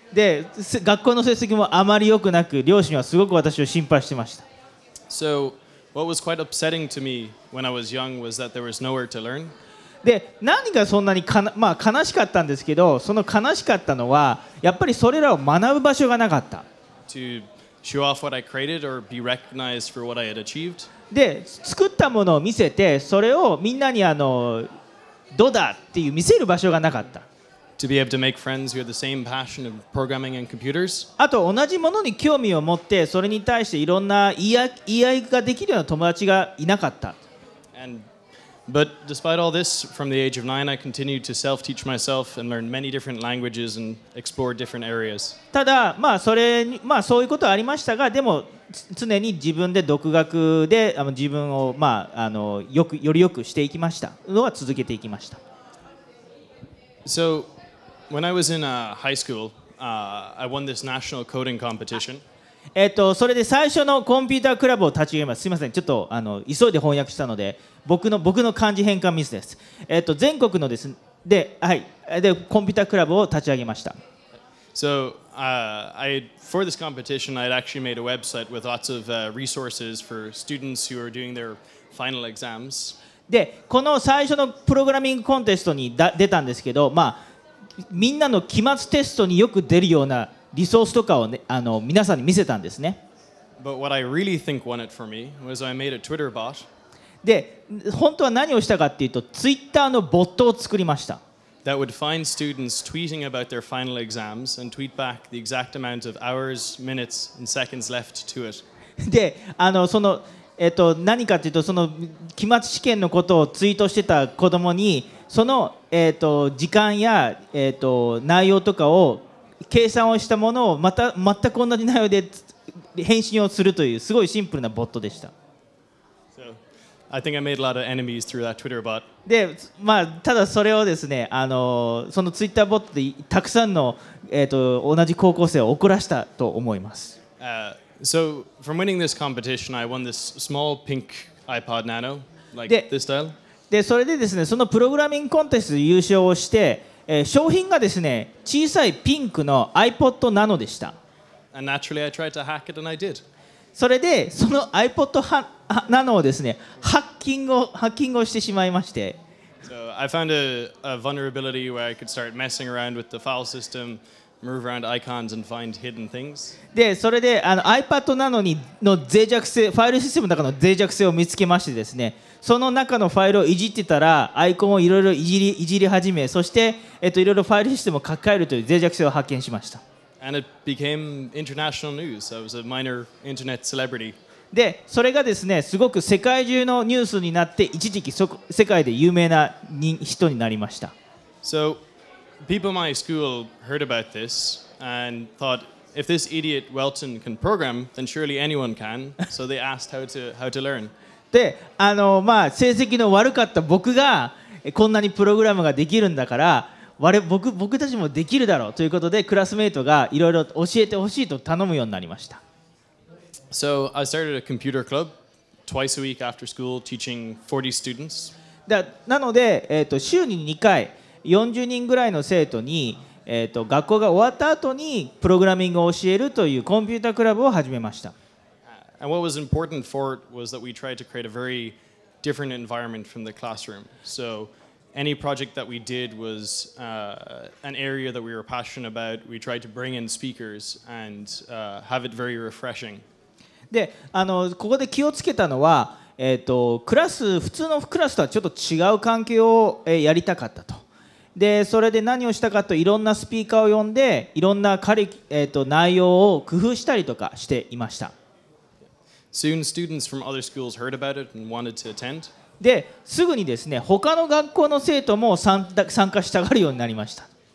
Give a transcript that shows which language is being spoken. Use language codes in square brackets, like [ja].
[ja] で、学校の成績もあまり良くなく、両親はすごく私を心配してました。 [en] So, what was quite upsetting to me when I was young was that there was nowhere to learn. [ja] で、何がそんなにまあ、悲しかったんですけど、その悲しかったのは、やっぱりそれらを学ぶ場所がなかった。 [en] Show off what I created or be recognized for what I had achieved. [ja] で、作ったものを見せて、それをみんなにどうだっていう見せる場所がなかった。 [en] To be able to make friends who have the same passion of programming and computers. [ja] あと同じものに興味を持って、それに対していろんな言い合いができるような友達がいなかった。 [en] And, but despite all this, from the age of 9, I continued to self-teach myself and learn many different languages and explore different areas. [ja] ただ、まあ、それ、まあ、そういうことはありましたが、でも、常に自分で独学で、自分を、まあ、より良くしていきました。のは続けていきました。 [en] So, when I was in high school, I won this national coding competition. [ja] それで最初のコンピュータークラブを立ち上げます。すみません、ちょっと急いで翻訳したので、僕の漢字変換ミスです。全国のですね、で、はい、で、コンピュータークラブを立ち上げました。 [en] So, for this competition, I had actually made a website with lots of resources for students who are doing their final exams. [ja] で、この最初のプログラミングコンテストに出たんですけど、まあ、みんなの期末テストによく出るようなリソースとかを、ね、皆さんに見せたんですね。 [en] But what I really think won it for me was I made a Twitter bot. [ja] で、本当は何をしたかっていうと、Twitter のボットを作りました。 [en] That would find students tweeting about their final exams and tweet back the exact amount of hours, minutes, and seconds left to it. [ja] で、何かっていうと、その期末試験のことをツイートしてた子供に、その、時間や、内容とかを計算をしたものをまた全く同じ内容で返信をするというすごいシンプルなボットでした。 [en] So, I think I made a lot of enemies through that Twitter bot. [ja] で、まあただそれをですね、そのツイッターボットでたくさんの同じ高校生を怒らせたと思います。 [en] So from winning this competition, I won this small pink iPod Nano, like this style. [ja] で、それでですね、そのプログラミングコンテストで優勝をして。商品がですね、小さいピンクの iPod Nano でした。 [en] And naturally I tried to hack it and I did. [ja] それで、その iPod Nano をですね、ハッキングをしてしまいまして。 [en] So I found a vulnerability where I could start messing around with the file system, move around icons and find hidden things. [ja] で、それで、iPod Nano の脆弱性、ファイルシステムの中の脆弱性を見つけましてですね、その中のファイルをいじってたら、アイコンをいろいろいじり始め、そして、いろいろファイルシステムを書き換えるという脆弱性を発見しました。 [en] And it became international news. I was a minor internet celebrity. [ja] で、それがですね、すごく世界中のニュースになって、一時期世界で有名な人になりました。 [en] So, people in my school heard about this and thought, if this idiot Whelton can program, then surely anyone can. So they asked how to learn. [ja] で、まあ、成績の悪かった僕がこんなにプログラムができるんだから僕たちもできるだろうということでクラスメートがいろいろ教えてほしいと頼むようになりました。 [en] So I started a computer club twice a week after school teaching 40 students. [ja] なので、週に2回40人ぐらいの生徒に、学校が終わった後にプログラミングを教えるというコンピュータークラブを始めました。 [en] And what was important for it was that we tried to create a very different environment from the classroom. So any project that we did was an area that we were passionate about. We tried to bring in speakers and have it very refreshing. [ja] で、ここで気をつけたのは、クラス、普通のクラスとはちょっと違う環境を、やりたかったと。で、それで何をしたかと、いろんなスピーカーを呼んで、いろんな内容を工夫したりとかしていました。 [en] Soon, students from other schools heard about it and wanted to attend. [ja] で、すぐにですね、他の学校の生徒も参加したがるようになりました。